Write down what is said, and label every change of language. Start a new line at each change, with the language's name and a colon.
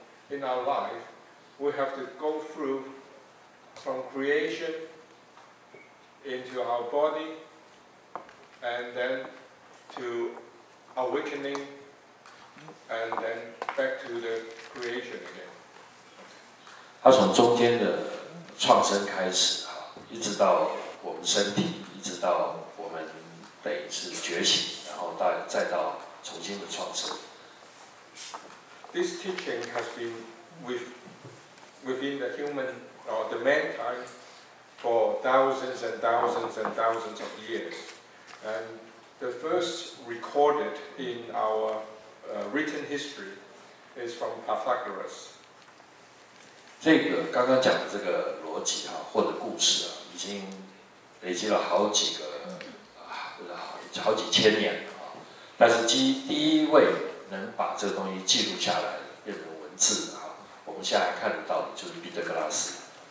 English: in our life, we have to go through from creation into our body, and then to awakening. And then back to the creation again.
Chinese: 他从中间的创生开始，一直到我们身体，一直到我们等于是觉醒，然后再到重新的创生。
English: This teaching has been within the human or the mankind for thousands and thousands and thousands of years. And the first recorded in ourwritten history is from Pythagoras.
Chinese: 这个刚刚讲的这个逻辑啊，或者故事啊，已经累积了好几个好几千年了啊。但是第一位能把这个东西记录下来变成文字啊，我们现在看得到的就是毕德格拉斯。